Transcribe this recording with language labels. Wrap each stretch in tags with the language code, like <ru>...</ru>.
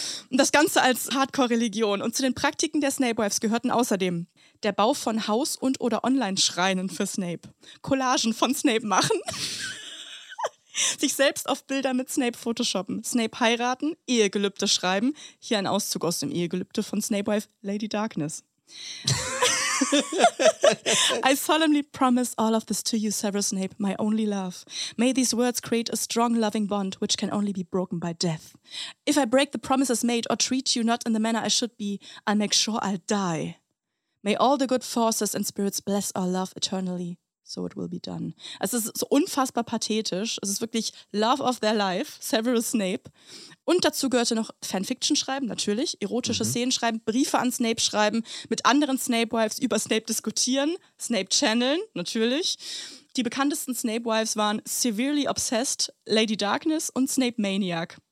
<de>Und das Ganze als Hardcore-Religion. Und zu den Praktiken der Snape-Wives gehörten außerdem der Bau von Haus- und oder Online-Schreinen für Snape, Collagen von Snape machen, sich selbst auf Bilder mit Snape photoshoppen, Snape heiraten, Ehegelübde schreiben. Hier ein Auszug aus dem Ehegelübde von Snape-Wife Lady Darkness.</de> <en>I solemnly promise all of this to you, Severus Snape, my only love. May these words create a strong loving bond, which can only be broken by death. If I break the promises made or treat you not in the manner I should be, I'll make sure I'll die. May all the good forces and spirits bless our love eternally. So it will be done.</en> <de>Es ist so unfassbar pathetisch. Es ist wirklich</de> <en>Love of their life,</en> <de>Severus Snape. Und dazu gehörte noch Fanfiction schreiben, natürlich. Erotische Szenen schreiben, Briefe an Snape schreiben, mit anderen Snape-Wives über Snape diskutieren, Snape channeln, natürlich. Die bekanntesten Snape-Wives waren Severely Obsessed, Lady Darkness und Snape Maniac.</de>